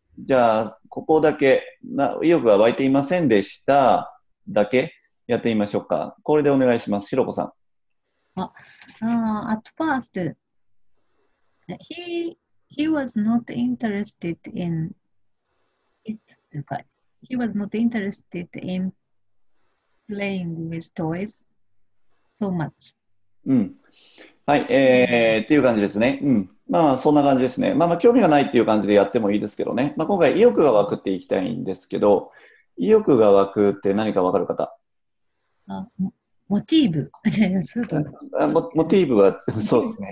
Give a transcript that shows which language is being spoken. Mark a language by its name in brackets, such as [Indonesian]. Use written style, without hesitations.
[Japanese] じゃあ、ここだけ、意欲が湧いていませんでしただけやってみましょうか。これでお願いします。ひろこさん。 [English] At first, he was not interested in it. He was not interested in playing with toys so much. [Japanese] っていう感じですね。まあ、そんな感じですね。まあまあ、興味がないっていう感じでやってもいいですけどね。まあ、今回、意欲が湧くっていきたいんですけど、意欲が湧くって何かわかる方？モチーブ。違います。モチーブは、そうですね。